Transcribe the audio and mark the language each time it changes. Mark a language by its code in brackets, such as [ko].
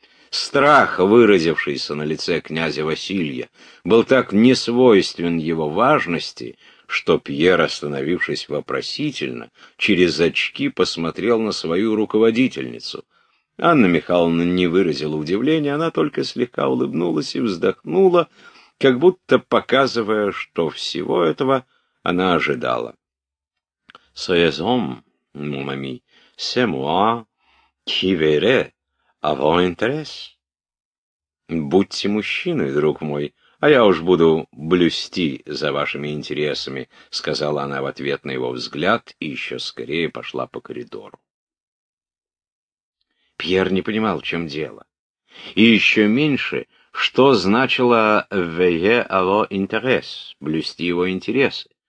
[ru] Страх, выразившийся на лице князя Василия, был так несвойствен его важности, что Пьер, остановившись вопросительно, через очки посмотрел на свою руководительницу. Анна Михайловна не выразила удивления, она только слегка улыбнулась и вздохнула, как будто показывая, что всего этого она ожидала. [fr] «Soyez homme, mon ami, c'est moi qui verrai à vos intérêts». [ru] «Будьте мужчиной, друг мой, а я уж буду блюсти за вашими интересами», — сказала она в ответ на его взгляд и еще скорее пошла по коридору. Пьер не понимал, в чем дело. И еще меньше, что значило [fr] «veiller à vos intérêts» [ru] — «блюсти его интересы».